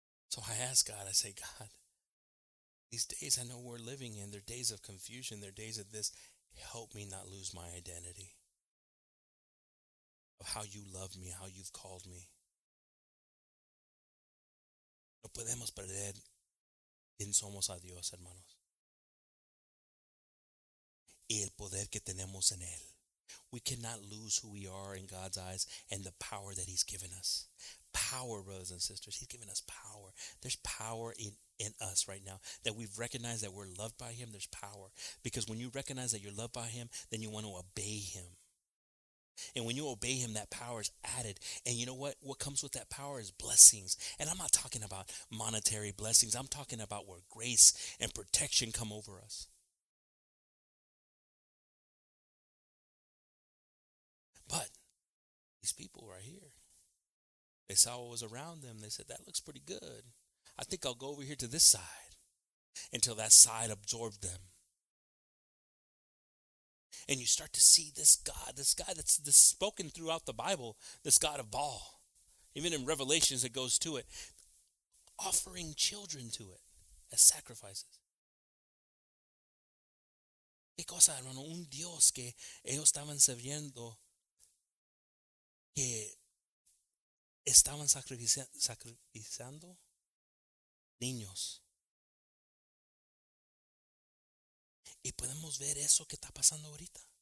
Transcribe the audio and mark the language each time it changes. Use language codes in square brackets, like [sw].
[en] So I ask God, I say, God, these days I know we're living in, they're days of confusion, they're days of this. Help me not lose my identity of how you love me, how you've called me. [es] No podemos perder quién somos a Dios, hermanos. Y el poder que tenemos en él. [en] We cannot lose who we are in God's eyes and the power that he's given us. Power, brothers and sisters. He's given us power. There's power in us right now that we've recognized that we're loved by him. There's power. Because when you recognize that you're loved by him, then you want to obey him. And when you obey him, that power is added. And you know what? What comes with that power is blessings. And I'm not talking about monetary blessings. I'm talking about where grace and protection come over us. But these people right here, they saw what was around them. They said, that looks pretty good. I think I'll go over here to this side until that side absorbed them. And you start to see this God that's spoken throughout the Bible, this God of all, even in Revelations it goes to it, offering children to it as sacrifices. [es] ¿Qué cosa, hermano? Un Dios que ellos estaban sirviendo, que estaban sacrificando niños. Y podemos ver eso que está pasando ahorita.